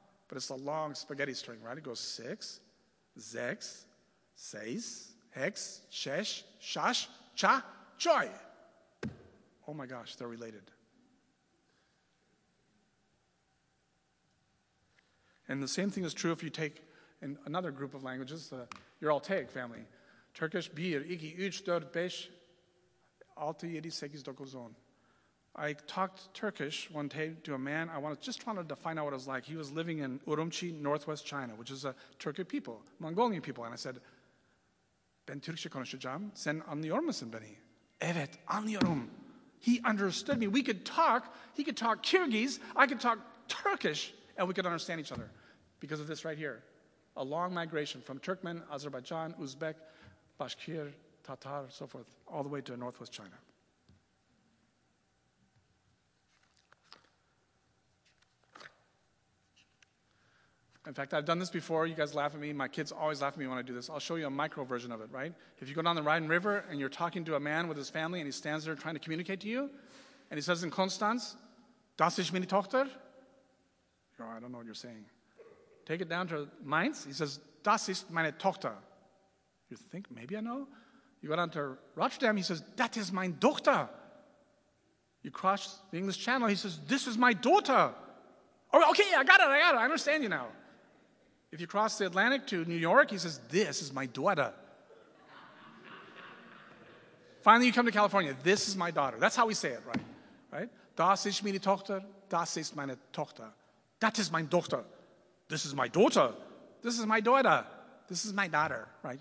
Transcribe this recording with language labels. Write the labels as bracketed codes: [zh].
[en] But it's a long spaghetti string, right? It goes six, zex, seis, hex, shesh, shash, cha, Choi. Oh my gosh, they're related. And the same thing is true if you take in another group of languages, the Uraltaic family. [tr] Turkish, bir, iki, üç, dört, beş, altı, yedi, sekiz, dokuz, on. [en] I talked Turkish one day to a man. I just wanted to find out what it was like. He was living in Urumqi, northwest China, which is a Turkic people, Mongolian people. And I said, [tr] Ben Türkçe konuşacağım. Sen anlıyor musun beni? Evet, anlıyorum. [en] He understood me. We could talk. He could talk Kyrgyz. I could talk Turkish. And we could understand each other. Because of this right here. A long migration from Turkmen, Azerbaijan, Uzbek, Bashkir, Tatar, so forth, all the way to northwest China. In fact, I've done this before. You guys laugh at me. My kids always laugh at me when I do this. I'll show you a micro version of it, right? If you go down the Rhine River and you're talking to a man with his family and he stands there trying to communicate to you, and he says in Konstanz, [de] "Das ist meine Tochter." [en] You go, "I don't know what you're saying." Take it down to Mainz. He says, [de] "Das ist meine Tochter." [en] You think, maybe I know. You go down to Rotterdam. He says, [de] "Das ist meine Tochter." [en] You cross the English Channel. He says, "This is my daughter." Oh, okay, I got it. I got it. I understand you now. If you cross the Atlantic to New York, he says, "This is my daughter." Finally, you come to California. "This is my daughter." That's how we say it, right? Right? [de] "Das ist meine Tochter. [en] Das ist meine Tochter. Das ist meine Tochter. This is my daughter. This is my daughter. This is my daughter." Right?